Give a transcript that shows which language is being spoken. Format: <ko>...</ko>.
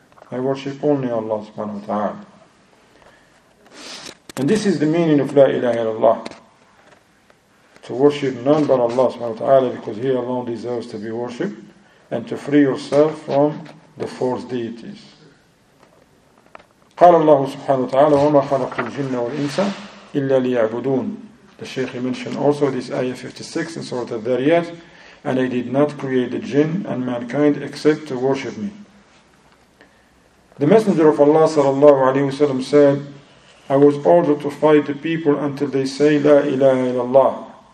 <en>I worship only Allah subhanahu wa ta'ala. And this is the meaning of La ilaha illallah. To worship none but Allah subhanahu wa ta'ala, because He alone deserves to be worshipped, and to free yourself from the false deities.</en> <ar>قال الله سبحانه وتعالى وما خلقت الجن والإنس إلا ليعبدون.</ar> <en>The Shaykh mentioned also this ayah 56 in Surah Al-Dhariyat, and I did not create the jinn and mankind except to worship me. The Messenger of Allah sallallahu alayhi wasallam said, I was ordered to fight the people until they say La ilaha illallah.</en>